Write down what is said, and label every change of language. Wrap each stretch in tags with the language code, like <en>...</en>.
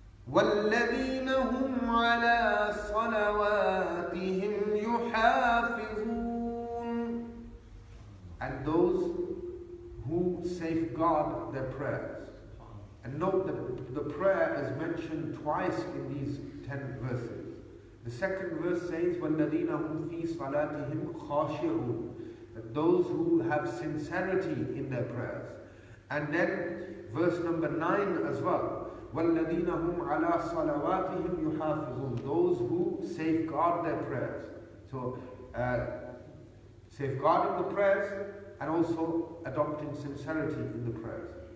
<ar>وَالَّذِينَ هُمْ عَلَىٰ صَلَوَاتِهِمْ يُحَافِظُونَ.</ar> <en>And those who safeguard their prayers. And note that the prayer is mentioned twice in these 10 verses. The second verse says,</en> <ar>وَالَّذِينَ هُمْ فِي صَلَاتِهِمْ خَاشِعُونَ.</ar> <en>That those who have sincerity in their prayers. And then verse number 9 as well.</en> <ar>وَالَّذِينَ هُمْ عَلَىٰ صَلَوَاتِهِمْ يُحَافِظُونَ.</ar> <en>Those who safeguard their prayers. So, safeguarding the prayers and also adopting sincerity in the prayers.</en>